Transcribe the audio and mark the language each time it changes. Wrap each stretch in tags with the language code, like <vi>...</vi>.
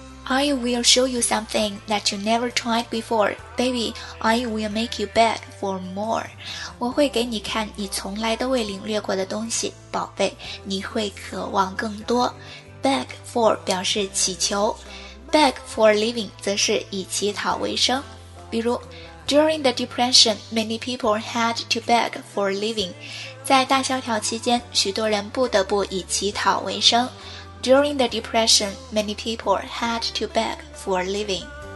<en>I will show you something that you never tried before. Baby, I will make you beg for more.</en> <zh>我会给你看你从来都未领略过的东西，宝贝，你会渴望更多。</zh> <en>Beg for</en> <zh>表示祈求。</zh> <en>Beg for living</en> <zh>则是以乞讨为生。比如</zh> <en>During the Depression, many people had to beg for a living.</en> <zh>在大萧条期间，许多人不得不以乞讨为生。</zh> <en>During the Depression, many people had to beg for a living.</en>